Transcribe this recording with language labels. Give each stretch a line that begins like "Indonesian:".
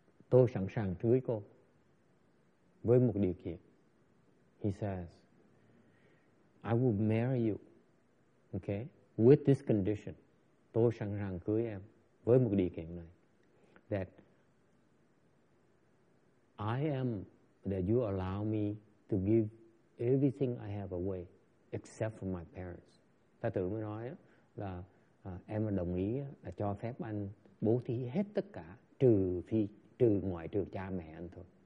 Vietnamese: Tôi sẵn sàng cưới cô với một điều kiện.
English: He says, I will marry you, okay, with this condition.
Vietnamese: Tôi sẵn sàng cưới em với một điều kiện này.
English: That you allow me to give everything I have away except for my parents.
Vietnamese: Thái tử mới nói là em đồng ý là cho phép anh bố thí hết tất cả trừ phi trừ ngoại trừ cha mẹ anh thôi.